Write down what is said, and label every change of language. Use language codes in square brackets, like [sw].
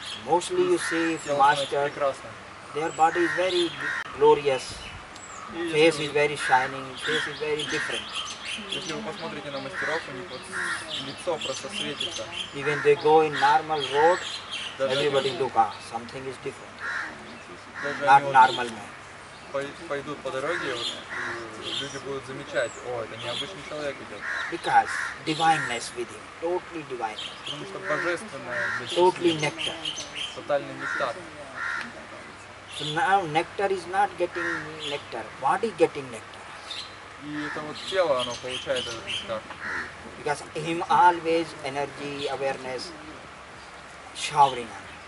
[en] Mostly you see if master, their body is very glorious, face is very shining, face is very different. [ru] Если вы посмотрите на мастеров, у них вот лицо просто светится. [en] Even they go in normal road, everybody look, ah, something is different. Not normal man. [ru] Пойдут по дороге, вот, люди будут замечать, о, это необычный человек идет. [en] Because divineness with him, totally divine. [ru] Потому что божественное, [en] totally nectar. [ru] Тотальный нектар. [en] So now nectar is not getting nectar, body getting nectar. [ru] И это вот тело, оно получает этот нектар. [en] Because him always energy, awareness, showering on.